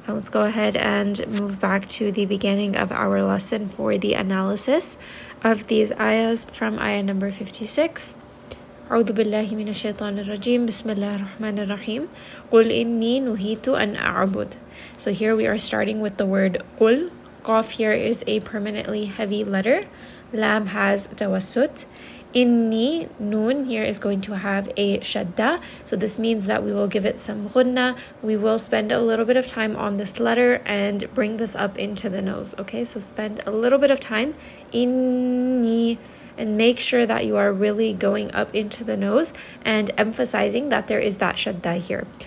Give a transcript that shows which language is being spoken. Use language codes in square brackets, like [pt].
[en] Now let's go ahead and move back to the beginning of our lesson for the analysis of these ayahs from ayah number 56. [ar] أعوذ بالله من الشيطان الرجيم بسم الله الرحمن الرحيم قل إني نهيت أن أعبد. [en] So here we are starting with the word قل. قاف here is a permanently heavy letter. [ar] لام has توسط. [en] إني نون here is going to have a شدة. So this means that we will give it some غنة. We will spend a little bit of time on this letter and bring this up into the nose. Okay, so spend a little bit of time. إني and make sure that you are really going up into the nose and emphasizing that there is that shadda here.